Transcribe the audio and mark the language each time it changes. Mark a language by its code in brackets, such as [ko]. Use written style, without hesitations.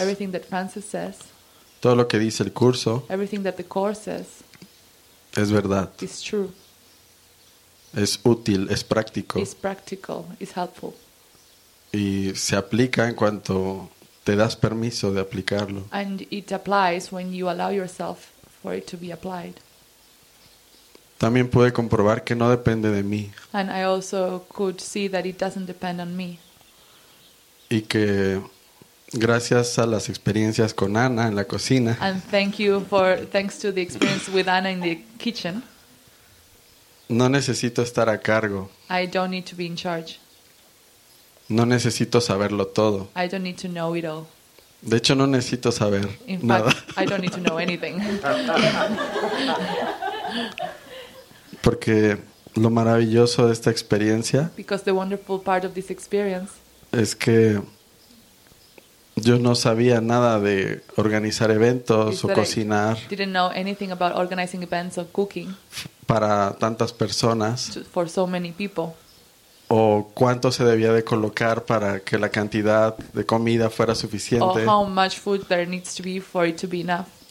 [en] Everything that Francis says. [es] Todo lo que dice el curso. [en] Everything that the course says. [es] Es verdad. [en] Is true. [es] Es útil, es práctico. [en] It's practical, it's helpful. [es] Y se aplica en cuanto te das permiso de aplicarlo. [en] And it applies when you allow yourself for it to be applied. [es] También pude comprobar que no depende de mí. [en] And I also could see that it doesn't depend on me. [es] Y que gracias a las experiencias con Ana en la cocina. [en] And thank you for thanks to the experience with Ana in the kitchen. [es] No necesito estar a cargo. [en] I don't need to be in charge. [es] No necesito saberlo todo. [en] I don't need to know it all. [es] De hecho, no necesito saber [en] in [es] nada. [en] Fact, I don't need to know anything. [es] Porque lo maravilloso de esta experiencia. [en] Because the wonderful part of this experience. [es] Es que yo no sabía nada de organizar eventos o cocinar. [en] I didn't know anything about organizing events or cooking. [es] Para tantas personas. [en] For so many people. [es] O cuánto se debía de colocar para que la cantidad de comida fuera suficiente. [en] Or how much food there needs to be for it to be enough.